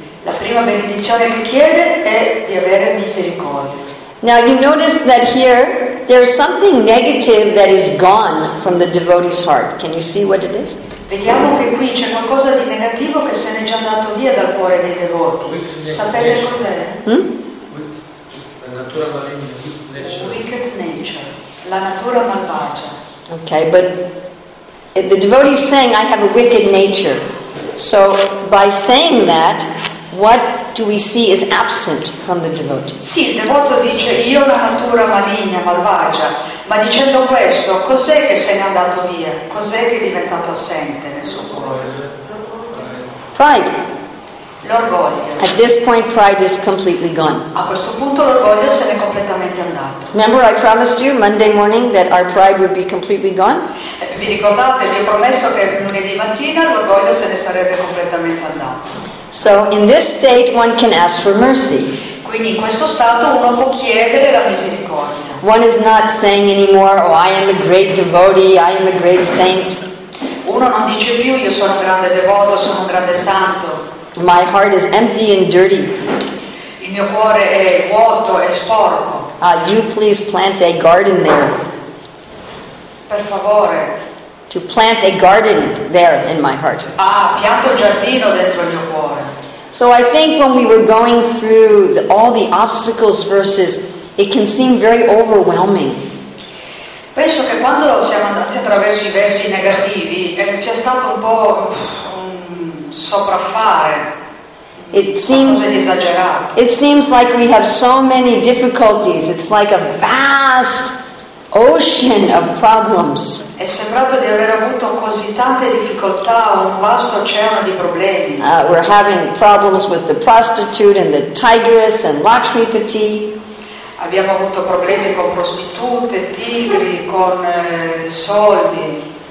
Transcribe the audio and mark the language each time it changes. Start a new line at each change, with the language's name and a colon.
Italian: La prima benedizione che chiede è di avere misericordia.
English: Now you notice that here there's something negative that is gone from the devotee's heart. Can you see what it is?
Italian: Vediamo che qui c'è qualcosa di negativo che se n'è già andato via dal cuore dei devoti. Sapete cos'è?
English: Wicked nature.
Italian: La natura malvagia.
English: Okay, but if the devotee is saying I have a wicked nature. So by saying that, what do we see is absent from the devotee?
Italian: Sì, il devoto dice io la natura maligna, malvagia. Ma dicendo questo, cos'è che se n'è andato via? Cos'è che è diventato assente nel suo cuore?
English: Pride.
Italian: L'orgoglio.
English: At this point, pride is completely gone.
Italian: A questo punto l'orgoglio se n'è completamente andato.
English: Remember, I promised you Monday morning that our pride would be completely gone.
Italian: Vi ricordate, vi ho promesso che lunedì mattina l'orgoglio se ne sarebbe completamente andato.
English: So in this state one can ask for mercy.
Italian: Quindi in questo stato uno può chiedere la misericordia.
English: One is not saying anymore, oh, I am a great devotee, I am a great saint.
Italian: Uno non dice più io sono un grande devoto, sono un grande santo.
English: My heart is empty and dirty.
Italian: Il mio cuore è vuoto e sporco.
English: You please plant a garden there.
Italian: Per favore.
English: To plant a garden there in my heart.
Italian: Ah, pianto giardino dentro il mio cuore.
English: So I think when we were going through all the obstacles verses, it can seem very overwhelming.
Italian: Penso che quando siamo andati attraverso i versi negativi sia stato un po' sopraffare.
English: It seems like we have so many difficulties. It's like a vast ocean of problems.
Italian: È sembrato di aver avuto così tante difficoltà, un vasto oceano di problemi.
English: We're having problems with the prostitute and the tigress and Lakshmipati.
Italian: Abbiamo avuto problemi con prostitute, tigri, con soldi.